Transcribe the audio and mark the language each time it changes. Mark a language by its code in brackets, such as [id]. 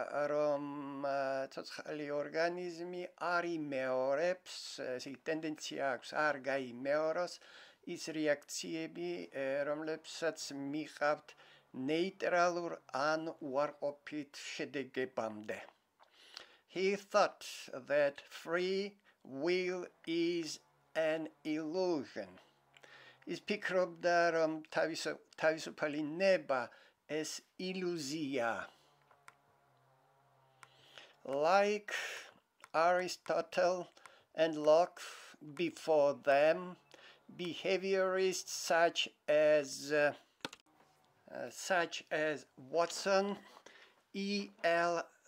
[ka] რომ ცოცხალი ორგანიზმი არ იმეორებს, ესე ტენდენცია აქვს არ გაიმეოროს ის რეაქციები, რომლებსაც მიყავთ ნეიტრალურ ან უარყოფით შედეგებამდე. [en] He thought that free will is an illusion. [ka] ის ფიქრობდა, რომ თავისუფალი ნება ეს ილუზია. [en] Like Aristotle and Locke before them, behaviorists such as Watson, E.L.